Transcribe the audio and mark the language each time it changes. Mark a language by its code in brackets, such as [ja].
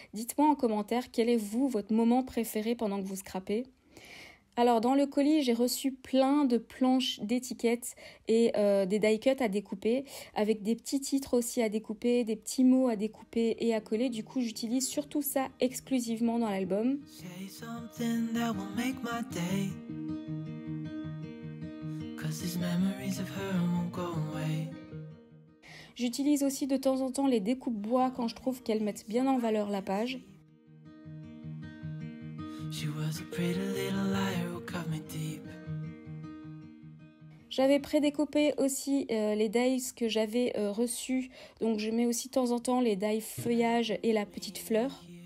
[fr] Dites-moi en commentaire quel est vous votre moment préféré pendant que vous scrapez. Alors dans le colis, j'ai reçu plein de planches d'étiquettes et des die-cuts à découper, avec des petits titres aussi à découper, des petits mots à découper et à coller. Du coup, j'utilise surtout ça exclusivement dans l'album. [en] Say something that will make my day. Cause these memories of her won't go away. [fr] J'utilise aussi de temps en temps les découpes bois quand je trouve qu'elles mettent bien en valeur la page. [en] She was a pretty little liar who cut me deep. [fr] J'avais prédécoupé aussi les dies que j'avais reçus, donc je mets aussi de temps en temps les dies feuillage et la petite fleur.